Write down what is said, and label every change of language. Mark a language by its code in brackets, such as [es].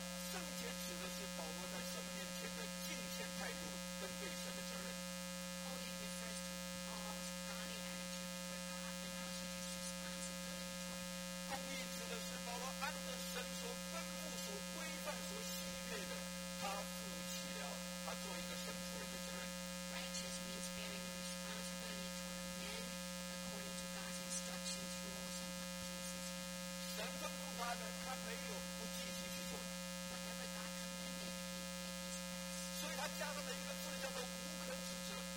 [zh] 圣洁指的是保罗在神面前的敬虔态度跟对神的责任。 [en] Holy refers to Paul's godly attitude toward God and also his responsibility to him. [zh] 公义指的是保罗按着神所吩咐、所规范、所喜悦的，他负起了他做一个圣徒人的责任。 [en] Righteous means bearing the responsibility to the men according to God's instructions, rules, and purposes. [zh] 神吩咐他的，他没有不继续去做。 [en] Whatever God commanded, he did his best. [zh] 所以他加上了一个字叫做无可指责。